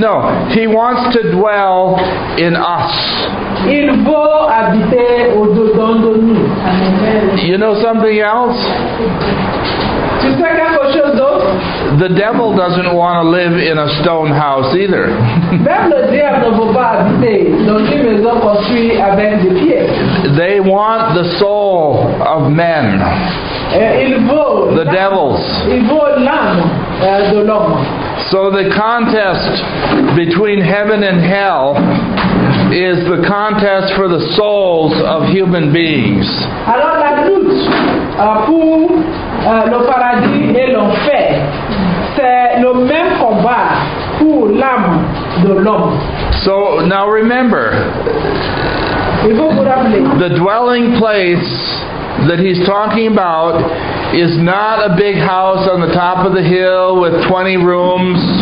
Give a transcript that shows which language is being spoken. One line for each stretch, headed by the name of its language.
English: No, he wants to dwell in us.
French: Il veut habiter au-dedans de nous.
English: You know something else?
French: Tu sais quelque chose d'autre?
English: The devil doesn't want to live in a stone house either.
French: Même le diable ne veut pas habiter dans une maison construite avec des pierres.
English: They want the soul of men.
French: Il veut
English: the devils.
French: Il veut l'âme de l'homme.
English: So the contest between heaven and hell is the contest for the souls of human beings.
French: Alors la lutte pour le paradis et l'enfer, c'est le même combat pour l'âme de l'homme.
English: So now remember,
French: il faut vous rappeler,
English: the dwelling place that he's talking about is not a big house on the top of the hill with 20 rooms.